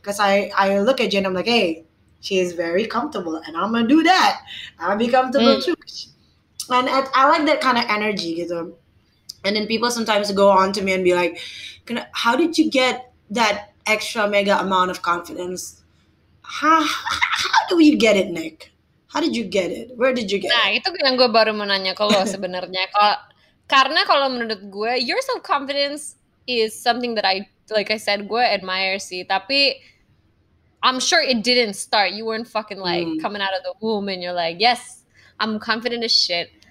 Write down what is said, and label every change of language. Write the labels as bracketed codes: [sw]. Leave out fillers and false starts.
[en] Because I look at Jen, I'm like, hey, she is very comfortable. And I'm gonna do that. I'll be comfortable too. And I like that kind of energy, gitu. And then people sometimes go on to me and be like, how did you get that extra mega amount of confidence? How do we get it, Nick? How did you get it? Where did you get it? [id] Nah, itu yang gue baru mau nanya ke lo sebenarnya. Karena kalau menurut gue, [en] your self-confidence is something that I, like I said, [id] gue admire sih. Tapi, [en] I'm sure it didn't start. You weren't fucking like coming out of the womb and you're like, yes, I'm confident as shit.